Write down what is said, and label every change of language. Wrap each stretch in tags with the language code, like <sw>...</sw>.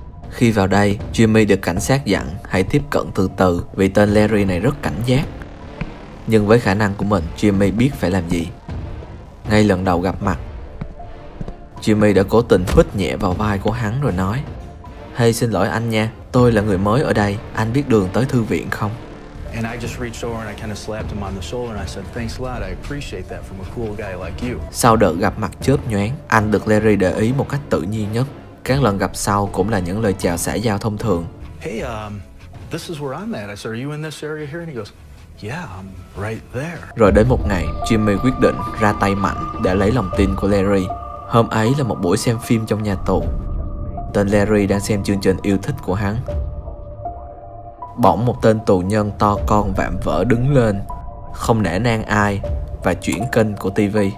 <vi>Khi vào đây, Jimmy được cảnh sát dặn hãy tiếp cận từ từ vì tên Larry này rất cảnh giác. Nhưng với khả năng của mình, Jimmy biết phải làm gì. Ngay lần đầu gặp mặt, Jimmy đã cố tình huýt nhẹ vào vai của hắn rồi nói: "Hey, xin lỗi anh nha, tôi là người mới ở đây, anh biết đường tới thư viện không?"</vi> <en>And I just reached over and I kind of slapped him on the shoulder and I said, "Thanks a lot, I appreciate that from a cool guy like you."</en> <vi>Sau đợt gặp mặt chớp nhoáng, anh được Larry để ý một cách tự nhiên nhất. Các lần gặp sau cũng là những lời chào xã giao thông thường.</vi> <en>"Hey, this is where I'm at. I said, are you in this area here?" And he goes, "Yeah, I'm right there."</en> <vi>Rồi đến một ngày, Jimmy quyết định ra tay mạnh để lấy lòng tin của Larry. Hôm ấy là một buổi xem phim trong nhà tù. Tên Larry đang xem chương trình yêu thích của hắn. Bỗng một tên tù nhân to con vạm vỡ đứng lên, không nể nang ai, và chuyển kênh của TV.</vi>